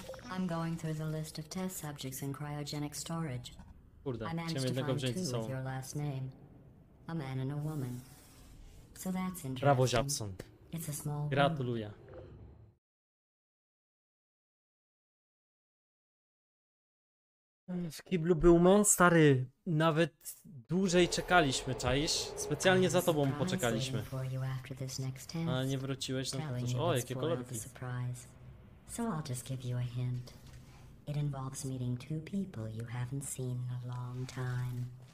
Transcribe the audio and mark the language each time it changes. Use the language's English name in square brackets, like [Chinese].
[English] I'm going through the list of test subjects in cryogenic storage. [Polish] Kurde, chciałem jednego wziąć z sobą. [English] A man and a woman. So that's interesting. [Polish] Brawo, Japson. [English] It's a small [Polish] gratuluję. W kiblu był mon, stary. Nawet dłużej czekaliśmy, czaisz? Specjalnie za tobą poczekaliśmy. A nie wróciłeś, no to już... O, jakie kolorki. [English] So I'll just give you a hint. It involves meeting two people you haven't seen in a long time.